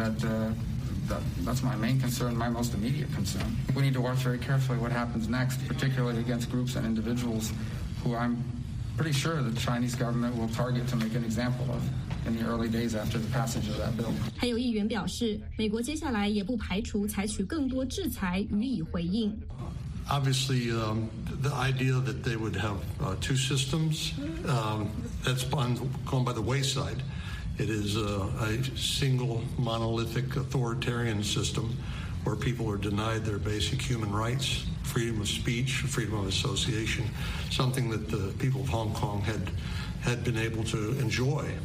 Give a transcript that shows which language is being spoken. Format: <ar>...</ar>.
<en>And that's my main concern, my most immediate concern. We need to watch very carefully what happens next, particularly against groups and individuals who I'm pretty sure the Chinese government will target to make an example of. In the early days after the passage of that bill.</en> <zh>还有议员表示，美国接下来也不排除采取更多制裁予以回应。</zh> <en>Obviously, the idea that they would have two systems, that's gone by the wayside. It is a single monolithic authoritarian system where people are denied their basic human rights, freedom of speech, freedom of association, something that the people of Hong Kong had been able to enjoy.</en>